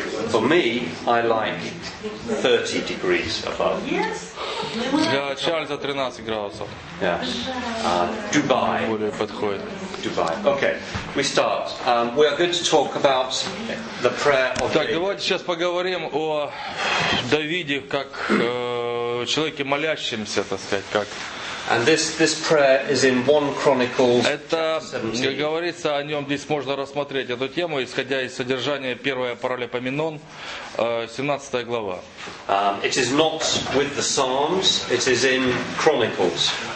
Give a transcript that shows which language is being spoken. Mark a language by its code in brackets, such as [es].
[en] For me, I like 30 degrees above. Yes. [ru] Для Чарльза 13 градусов. [en] Yes. Дубай. [ru] Более подходит. [en] Дубай. Okay. We start. We are going to talk about the prayer of David. [ru] Так, давайте сейчас поговорим о Давиде как человеке молящемся, так сказать, как. [en] And this prayer is in 1 Chronicles. [ru] Это, как говорится, о нем здесь можно рассмотреть эту тему, исходя из содержания 1 Паралипоменон, 17 глава. [en] It is not with the Psalms, it is in Chronicles.